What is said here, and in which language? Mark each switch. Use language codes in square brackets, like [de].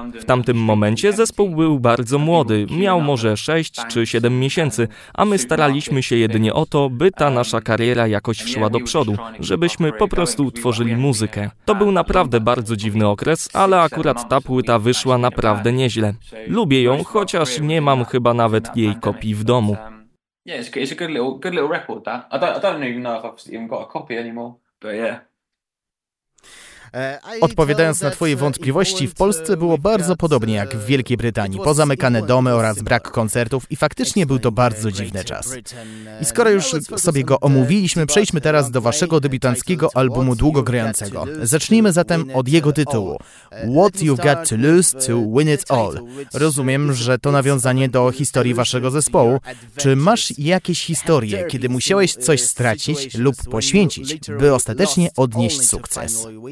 [pl] W tamtym momencie zespół był bardzo młody, miał może 6 czy 7 miesięcy, a my staraliśmy się jedynie o to, by ta nasza kariera jakoś szła do przodu, żebyśmy po prostu tworzyli muzykę. To był naprawdę bardzo dziwny okres, ale akurat ta płyta wyszła naprawdę nieźle. Lubię ją, chociaż nie mam chyba nawet jej kopii w domu. [en] Yeah, it's a good little record that. I don't even know if I've even got a copy anymore, but yeah. [pl] Odpowiadając na twoje wątpliwości, w Polsce było bardzo podobnie jak w Wielkiej Brytanii. Pozamykane domy oraz brak koncertów i faktycznie był to bardzo dziwny czas. I skoro już sobie go omówiliśmy, przejdźmy teraz do waszego debiutanckiego albumu długogrającego. Zacznijmy zatem od jego tytułu. [en] What You've Got To Lose To Win It All. [pl] Rozumiem, że to nawiązanie do historii waszego zespołu. Czy masz jakieś historie, kiedy musiałeś coś stracić lub poświęcić, by ostatecznie odnieść sukces?